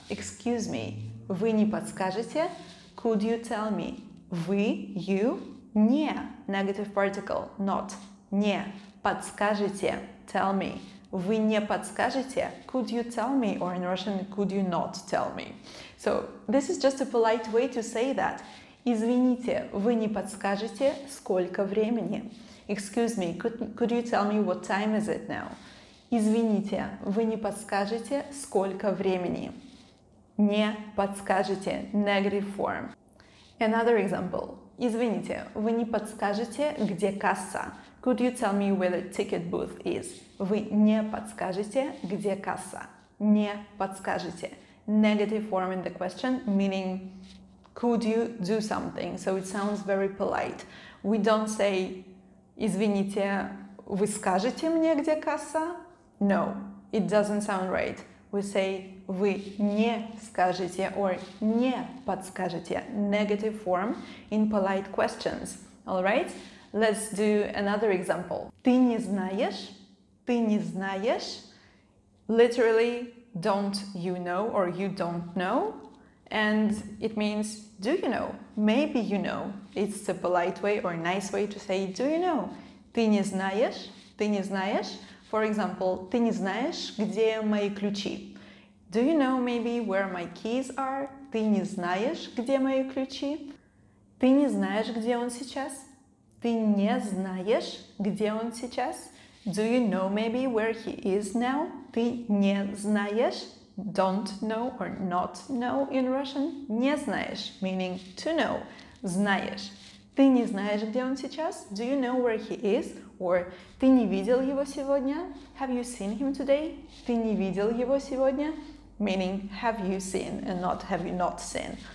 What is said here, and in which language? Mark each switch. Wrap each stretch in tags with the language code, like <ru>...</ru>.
<en>Excuse me.</en> <ru>Вы не подскажете?</ru> <en>Could you tell me? Вы? You? Не. Negative particle. Not. Не. Подскажете? Tell me.</en> <ru>Вы не подскажете?</ru> <en>Could you tell me? Or in Russian, could you not tell me? So, this is just a polite way to say that.</en> <ru>Извините, вы не подскажете, сколько времени?</ru> <en>Excuse me, could you tell me what time is it now?</en> <ru>Извините, вы не подскажете, сколько времени? Не подскажете,</ru> <en>negative form. Another example.</en> <ru>Извините, вы не подскажете, где касса?</ru> <en>Could you tell me where the ticket booth is?</en> <ru>Вы не подскажете, где касса? Не подскажете.</ru> <en>Negative form in the question, meaning could you do something? So it sounds very polite. We don't say,</en> <ru>извините, вы скажете мне, где касса?</ru> <en>No, it doesn't sound right. We say,</en> <ru>вы не скажете</ru> <en>or</en> <ru>не подскажете.</ru> <en>Negative form in polite questions. All right? Let's do another example.</en> <ru>Ты не знаешь? Ты не знаешь?</ru> <en>Literally, don't you know or you don't know? And it means, do you know? Maybe you know. It's a polite way or a nice way to say, do you know?</en> <ru>Ты не знаешь? Ты не знаешь?</ru> <en>For example,</en> <ru>ты не знаешь, где мои ключи?</ru> <en>Do you know maybe where my keys are?</en> <ru>Ты не знаешь, где мои ключи? Ты не знаешь, где он сейчас? Ты не знаешь, где он сейчас?</ru> <en>Do you know maybe where he is now?</en> <ru>Ты не знаешь?</ru> <en>Don't know or not know in Russian?</en> <ru>Не знаешь,</ru> <en>meaning to know. Знаешь.</en> <ru>Ты не знаешь, где он сейчас?</ru> <en>Do you know where he is?</en> <ru>Or ты не видел его сегодня?</ru> <en>Have you seen him today?</en> <ru>Ты не видел его сегодня?</ru> <en>Meaning have you seen and not have you not seen.</en>